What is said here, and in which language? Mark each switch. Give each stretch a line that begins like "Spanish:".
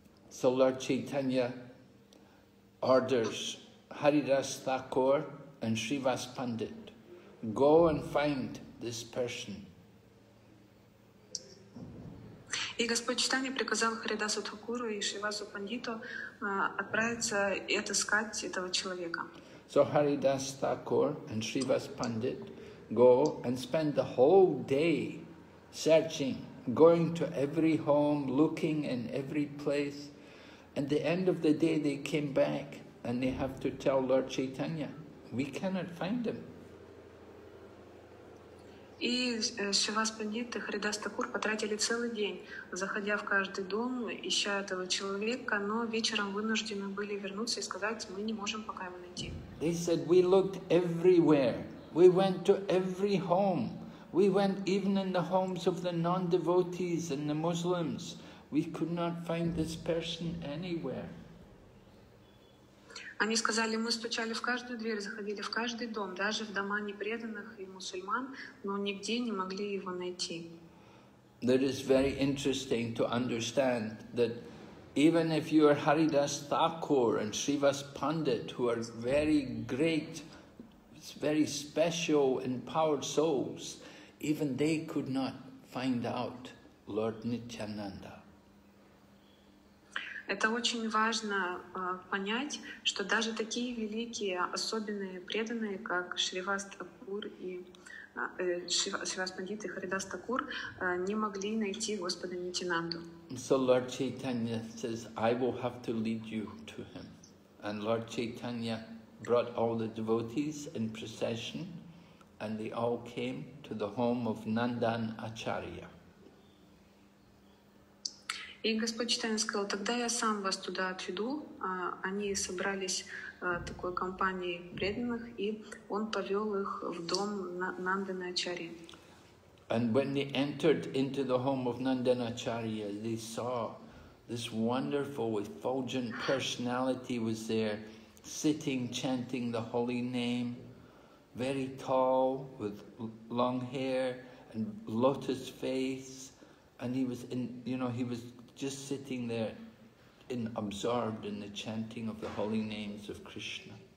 English: So Lord Chaitanya orders Haridas Thakur and Srivas Pandit, go and find this person.
Russian: И Господь Чайтанья приказал Харидасу Такуру и Шривасу Пандиту отправиться и отыскать этого человека.
English: So Haridas Thakur and Shrivas Pandit go and spend the whole day searching, going to every home, looking in every place. At the end of the day they came back and they have to tell Lord Chaitanya, we cannot find him.
Russian: И Шривас Пандит и Харидас Такур потратили целый день, заходя в каждый дом, ища этого человека, но вечером вынуждены были вернуться и сказать, мы не можем пока его найти.
English: They said, we looked everywhere. We went to every home. We went even in the homes of the non-devotees and the Muslims. We could not find this person anywhere.
Russian: Они сказали, мы стучали в каждую дверь, заходили в каждый дом, даже в дома непреданных и мусульман, но нигде не могли его найти.
English: That is very interesting to understand that even if you are Haridas Thakur and Srivas Pandit, who are very great, very special empowered souls, even they could not find out Lord Nityananda.
Russian: Это очень важно понять, что даже такие великие, особенные, преданные, как Шривас Такур и Шривас Пандит и Харидас Такур, не могли найти Господа Нитинанду.
English: So Lord Chaitanya says, I will have to lead you to him. And Lord Chaitanya brought all the devotees in procession, and they all came to the home of Nandan Acharya.
Russian: И Господь Чайтанья сказал, тогда я сам вас туда отведу. Они собрались такой компанией преданных, и он повел их в дом Нандана Ачарьи.
English: And when they entered into the home of Nandana Acharya, they saw this wonderful effulgent personality was there, sitting, chanting the holy name, very tall, with long hair and lotus face, and he was in, you know, he was just sitting there in absorbed in the chanting of the holy names of Krishna.